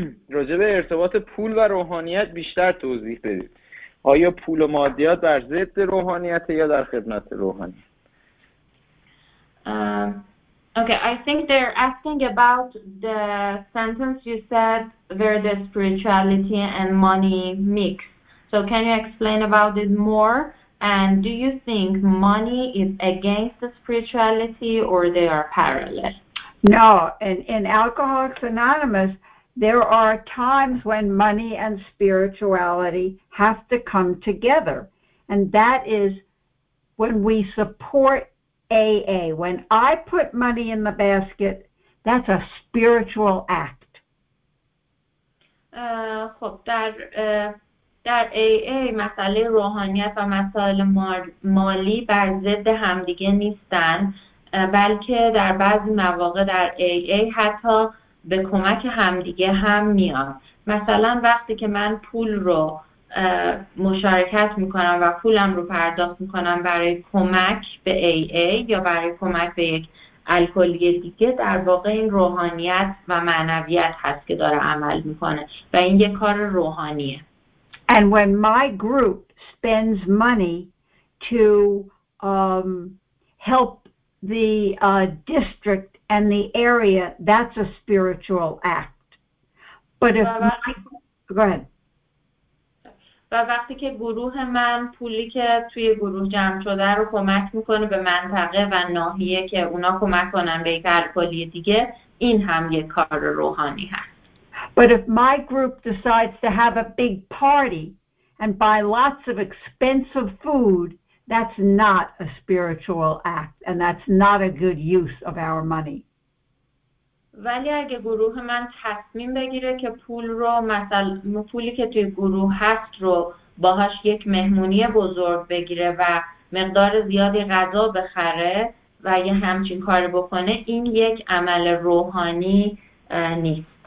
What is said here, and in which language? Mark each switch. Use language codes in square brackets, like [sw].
[fa] راجع به ارتباط پول و روحانیت بیشتر توضیح بدید. آیا پول و مادیات در ضد روحانیت یا در خدمت روحانیت؟ [en] Okay, I think they're asking about the sentence you said where the spirituality and money mix. So can you explain about it more? And do you think money is against the spirituality or they are parallel? No, in Alcoholics Anonymous, there are times when money and spirituality have to come together. And that is when we support AA. When I put money in the basket, that's a spiritual act. [fa] خب در AA مسئله روحانیت و مسئله مالی بر ضد همدیگه نیستن، بلکه در بعضی مواقع در AA حتی به کمک همدیگه هم میان. مثلا وقتی که من پول رو مشارکت میکنم و پولم رو پرداخت میکنم برای کمک به AA یا برای کمک به یک الکلی دیگه، در واقع این روحانیت و معنویت هست که داره عمل میکنه و این یک کار روحانیه. [en] And when my group spends money to help the district and the area, that's a spiritual act. But if my... Go ahead. [fa] و وقتی که گروه من پولی که توی گروه جمع شده رو کمک میکنه به منطقه و ناحیه که اونا کمک کنن به یک الکلی دیگه، این هم یک کار روحانی هست. [en] But if my group decides to have a big party and buy lots of expensive food, that's not a spiritual act and that's not a good use of our money. [fa] ولی اگه گروه من تصمیم بگیره که پول رو مثلا پولی که توی گروه هست رو باهاش یک مهمونی بزرگ بگیره و مقدار زیادی غذا بخره و یه همچین کار بکنه، این یک عمل روحانی نیست.